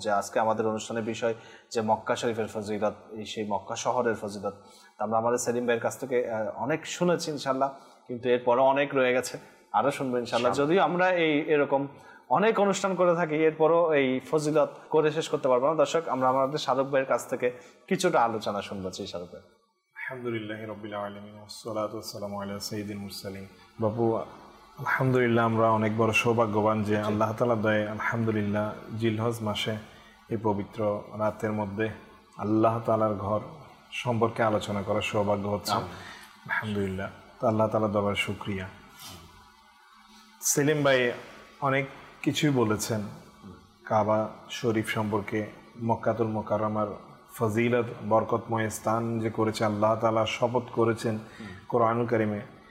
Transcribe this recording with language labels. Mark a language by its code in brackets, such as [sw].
[bn] যে আজকে আমাদের অনুষ্ঠানের বিষয় যে মক্কা শরীফের ফজিলত, সেই মক্কা শহরের ফজিলত, তা আমরা আমাদের সেলিম ভাইয়ের কাছ থেকে অনেক শুনেছি ইনশাল্লাহ, কিন্তু এরপরও অনেক রয়ে গেছে, আরও শুনবেন ইনশাল্লাহ। যদিও আমরা এই এরকম অনেক অনুষ্ঠান করে থাকি, এরপরও এই ফজিলত করে শেষ করতে পারবো না। দর্শক, আমরা আমাদের শাহরুখ ভাইয়ের কাছ থেকে কিছুটা আলোচনা শুনবো। চাই শাহরুখ ভাই, [ar] আলহামদুলিল্লাহ রব্বিল আলামিন والصلاه والسلام على سيد المرسلين। [bn] বাবু, আলহামদুলিল্লাহ আমরা অনেক বড় সৌভাগ্যবান যে আল্লাহ তাআলা দয়ে আলহামদুলিল্লাহ জিলহজ মাসে এই পবিত্র রাতের মধ্যে আল্লাহ তাআলার ঘর সম্পর্কে আলোচনা করার সৌভাগ্য হচ্ছে। আলহামদুলিল্লাহ, তো আল্লাহ তাআলার দরবারে শুকরিয়া। সেলিম ভাই অনেক কিছুই বলেছেন কাবা শরীফ সম্পর্কে, মক্কাতুল মুকাররমার ফজিলত, বরকতময় স্থান যে করেছে আল্লাহ তাআলা শপথ করেছেন কোরআনুল কারিমে।